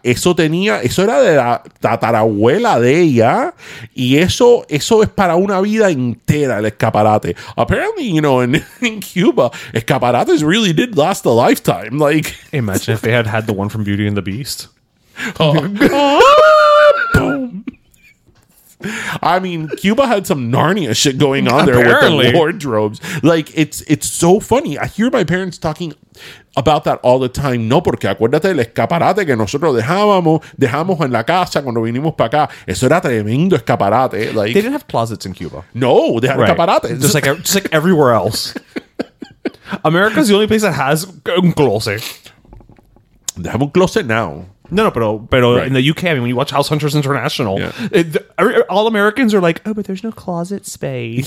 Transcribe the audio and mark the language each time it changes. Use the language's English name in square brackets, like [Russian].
[Spanish] Eso tenía, eso era de la tatarabuela de ella. Y eso es para una vida entera, el escaparate. [English] Apparently, you know, in Cuba, escaparates really did last a lifetime. Like, imagine if they had the one from Beauty and the Beast. Boom. I mean, Cuba had some Narnia shit going on there. Apparently. With the wardrobes. Like, it's so funny. I hear my parents talking about that all the time. [Spanish] No, porque acuérdate el escaparate que nosotros dejamos en la casa cuando vinimos para acá. Eso era tremendo escaparate. [English] Like, they didn't have closets in Cuba. No, they had escaparates. Just like everywhere else. America's the only place that has [Spanish] un closet. [English] They have a closet now. No, but right. In the UK, I mean, when you watch House Hunters International, all Americans are like, oh, but there's no closet space.